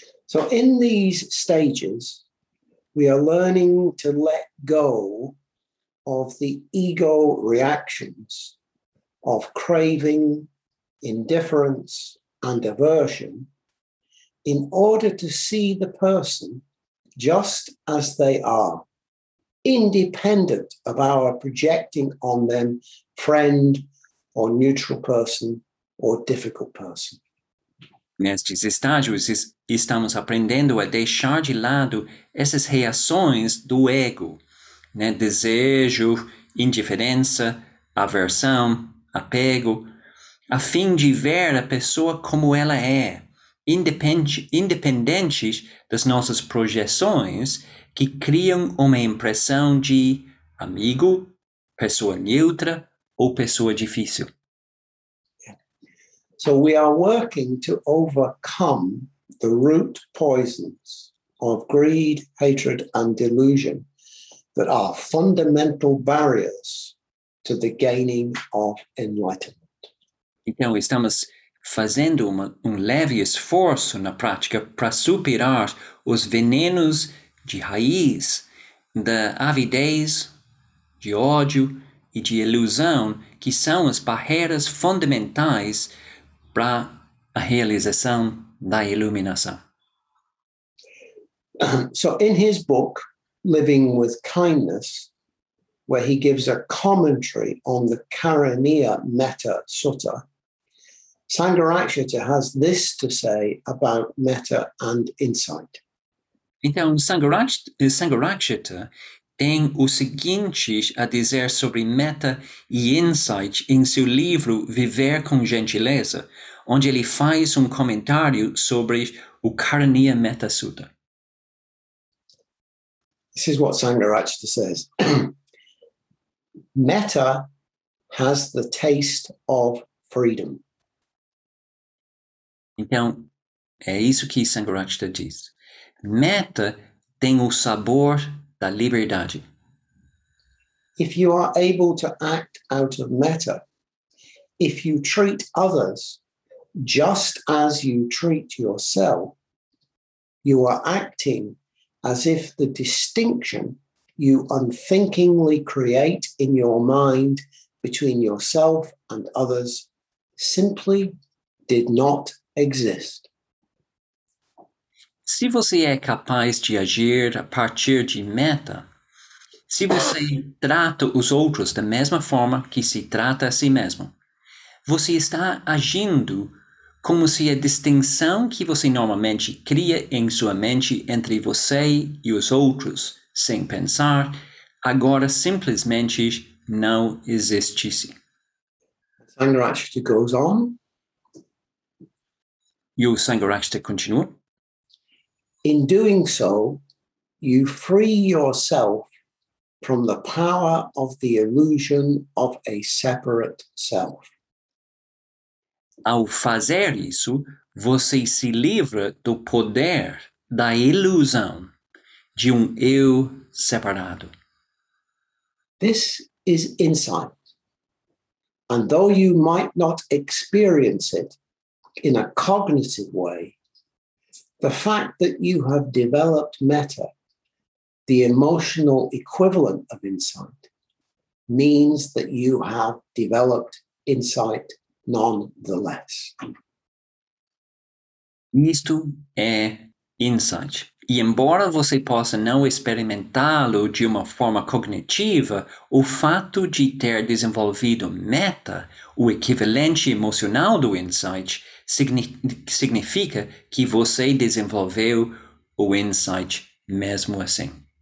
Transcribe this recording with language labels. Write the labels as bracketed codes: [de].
[en] So in these stages, We are learning to let go of the ego reactions of craving, indifference, and aversion in order to see the person just as they are, independent of our projecting on them friend or neutral person or difficult person. [pt] Nestes estágios, estamos aprendendo a deixar de lado essas reações do ego, né? Desejo, indiferença, aversão, apego, a fim de ver a pessoa como ela é, independente das nossas projeções que criam uma impressão de amigo, pessoa neutra ou pessoa difícil. [en] So we are working to overcome the root poisons of greed, hatred and delusion that are fundamental barriers to the gaining of enlightenment. [pt] Então estamos fazendo um leve esforço na prática para superar os venenos de raiz da avidez, de ódio e de ilusão, que são as barreiras fundamentais para a realização da iluminação. [en] So in his book, Living with Kindness, where he gives a commentary on the Karaniya Metta Sutta, Sangharakshita has this to say about metta and insight. [pt] Então, Sangharakshita tem o seguinte a dizer sobre metta e insight em seu livro Viver com Gentileza, onde ele faz um comentário sobre o Karaniya Metta Sutta. [en] This is what Sangharakshita says. Metta has the taste of freedom. [pt] Então, é isso que Sangharakshita diz. Metta tem o sabor da liberdade. [en] If you are able to act out of metta, if you treat others just as you treat yourself, you are acting as if the distinction you unthinkingly create in your mind between yourself and others simply did not exist. [pt] Se você é capaz de agir a partir de meta, se você trata os outros da mesma forma que se trata a si mesmo, você está agindo como se a distinção que você normalmente cria em sua mente entre você e os outros, sem pensar, agora simplesmente não existisse. [en] Sangharakshita goes on. [pt] E o Sangharakshita continua. [en] In doing so, you free yourself from the power of the illusion of a separate self. [pt] Ao fazer isso, você se livra do poder da ilusão de um eu separado. [en] This is insight. And though you might not experience it in a cognitive way, the fact that you have developed metta, the emotional equivalent of insight, means that you have developed insight nonetheless. [pt] Isto é insight. E embora você possa não experimentá-lo de uma forma cognitiva, o fato de ter desenvolvido meta, o equivalente emocional do insight, significa que você desenvolveu o insight mesmo assim.